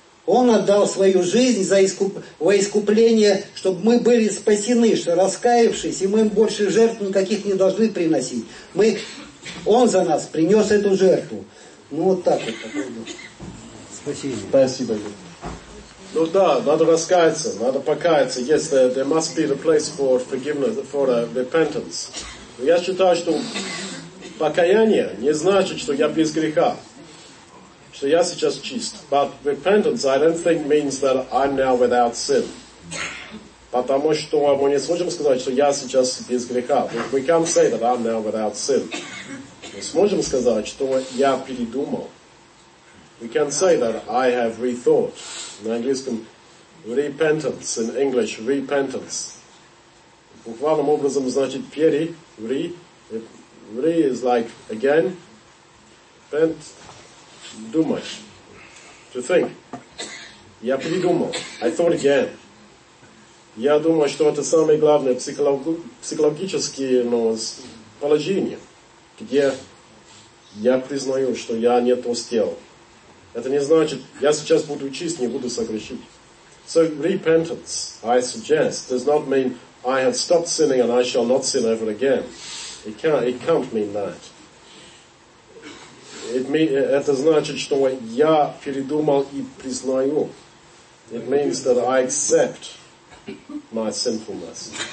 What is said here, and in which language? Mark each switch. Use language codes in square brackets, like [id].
[ru] Он отдал свою жизнь во искупление, чтобы мы были спасены, что раскаявшись, и мы больше жертв никаких не должны приносить. Он за нас принес эту жертву. Ну вот так вот. Спасибо. Спасибо. Ну да, надо раскаяться, надо покаяться. [en] Yes, there must be the place for forgiveness, for repentance. [ru] Но я считаю, что покаяние не значит, что я без греха. [en] So yes, it's just cheat. But repentance, I don't think, means that I'm now without sin. [ru] Потому что мы не сможем сказать, что я сейчас без греха. [en] We can't say that I'm now without sin. [ru] Мы сможем сказать, что я передумал. [en] We can say that I have rethought. In английском, repentance. In English, repentance. [ru] Буквальным образом значит пере, [en] re is like again, pent. [ru] Думать. [en] To think. [ru] Я передумал. [en] I thought again. [ru] Я думаю, что это самое главное психологическое положение, где я признаю, что я не то сделал. Это не значит, я сейчас буду чист, не буду согрешить. [en] So repentance, I suggest, does not mean I have stopped sinning and I shall not sin ever again. It can't mean that. [ru] Это значит, что я передумал и признаю. [en] It means that I accept my sinfulness.